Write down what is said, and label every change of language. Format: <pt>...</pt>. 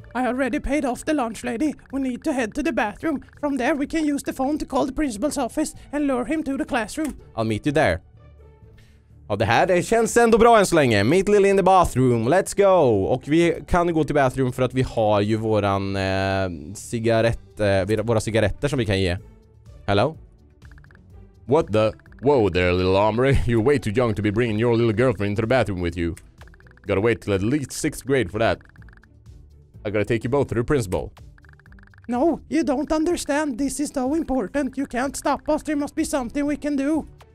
<en>I already paid off the lunch lady. We need to head to the bathroom. From there we can use the phone to call the principal's office and lure him to the classroom. I'll meet you there.</en> <sv>Ja, det här, det känns ändå bra än så länge.</sv> <en>Meet Lily in the bathroom. Let's go.</en> <sv>Och vi kan gå till bathroom för att vi har ju våran cigarett, våra cigaretter som vi kan ge.</sv> <en>Hello? What the? Whoa there, little hombre. You're way too young to be bringing your little girlfriend to the bathroom with you. Gotta wait till at least sixth grade for that. I gotta take you both to the principal. No, you don't understand. This is so important. You can't stop us. There must be something we can do.</en>